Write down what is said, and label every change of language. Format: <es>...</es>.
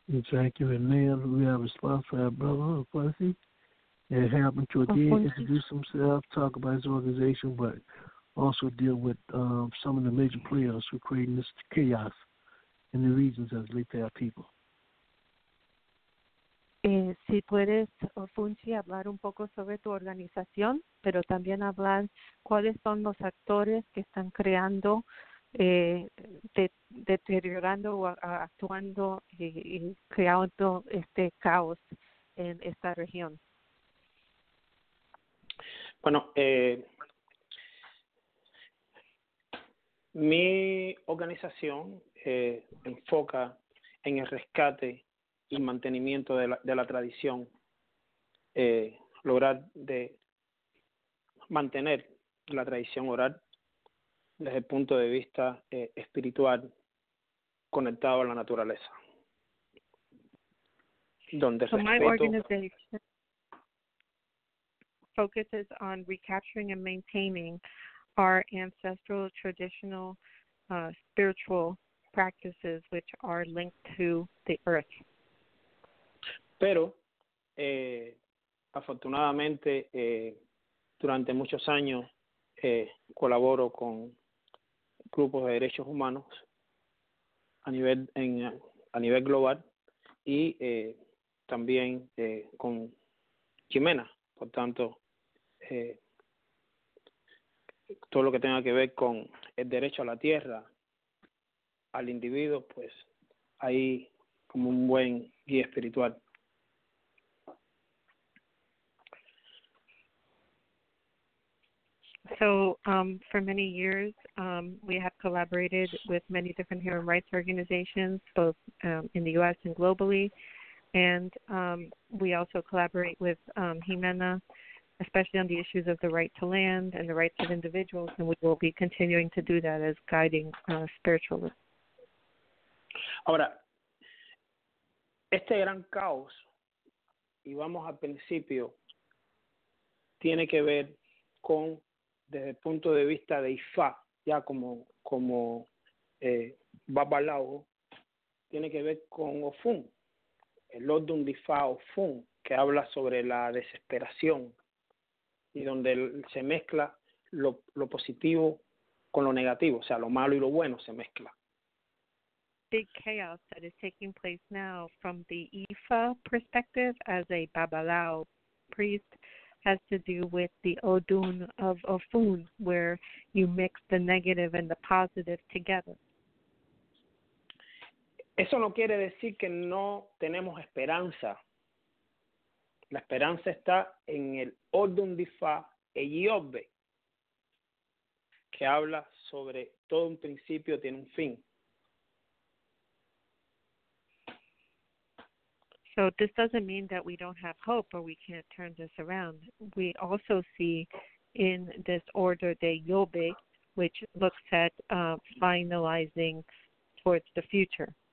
<en>Thank you. And now we have a response for our brother, Ofunshi. And have him to again introduce himself, talk about his organization, but also deal with some of the major players who are creating this chaos in the regions as late to our people.</en> <es>Si puedes, Ofunshi, hablar un poco sobre tu organización, pero también hablar cuáles son los actores que están creando. Deteriorando actuando y creando este caos en esta región. Bueno, mi organización enfoca en el rescate y mantenimiento de la tradición, lograr de mantener la tradición oral desde el punto de vista espiritual, conectado a la naturaleza. Donde</es> <en>so my organization focuses on recapturing and maintaining our ancestral, traditional, spiritual practices, which are linked to the earth.</en> <es>Pero, afortunadamente, durante muchos años, colaboro con grupos de derechos humanos a nivel global y también con Gimena. Por tanto, todo lo que tenga que ver con el derecho a la tierra, al individuo, pues ahí como un buen guía espiritual.</es> <en>So for many years, we have collaborated with many different human rights organizations, both in the U.S. and globally. And we also collaborate with Gimena, especially on the issues of the right to land and the rights of individuals. And we will be continuing to do that as guiding spiritualists.</en> <es>Ahora, este gran caos, y vamos al principio, tiene que ver con, desde el punto de vista de Ifá, ya como Babalao, tiene que ver con Ofun, el Odum de Ifá Ofun, que habla sobre la desesperación y donde se mezcla lo positivo con lo negativo, o sea, lo malo y lo bueno se mezcla.</es> <en>Big chaos that is taking place now from the Ifá perspective as a Babalao priest has to do with the Odun of Ofun, where you mix the negative and the positive together.</en> <es>Eso no quiere decir que no tenemos esperanza. La esperanza está en el Odun de Ifá Eyiobe, que habla sobre todo un principio tiene un fin.</es> <en>So this doesn't mean that we don't have hope or we can't turn this around. We also see in this order de Yobe, which looks at finalizing towards the future.</en>